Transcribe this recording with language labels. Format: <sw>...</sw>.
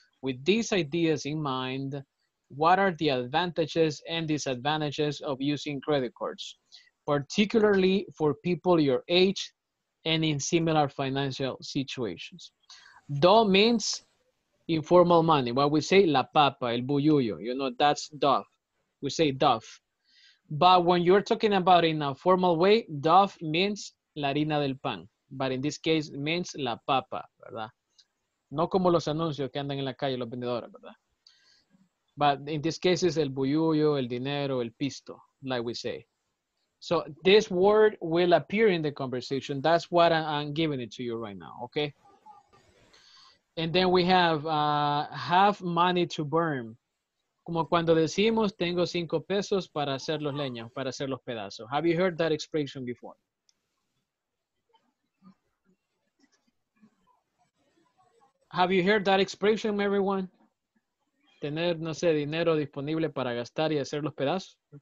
<en>With these ideas in mind, what are the advantages and disadvantages of using credit cards, particularly for people your age and in similar financial situations? DO means informal money. Well, we say</en> <es>la papa, el buyuyo,</es> <en>you know, that's DOF. We say DOF. But when you're talking about in a formal way, DOF means</en> <es>la harina del pan.</es> <en>But in this case, it means</en> <es>la papa, ¿verdad? No como los anuncios que andan en la calle, los vendedores, ¿verdad?</es> <en>But in this case, it's</en> <es>el buyuyo, el dinero, el pisto,</es> <en>like we say. So this word will appear in the conversation. That's what I'm giving it to you right now, okay? And then we have money to burn.</en> <es>Como cuando decimos, tengo cinco pesos para hacer los leños, para hacer los pedazos.</es> <en>Have you heard that expression before? Have you heard that expression, everyone?</en> <es>Tener, no sé, dinero disponible para gastar y hacer los pedazos?</es>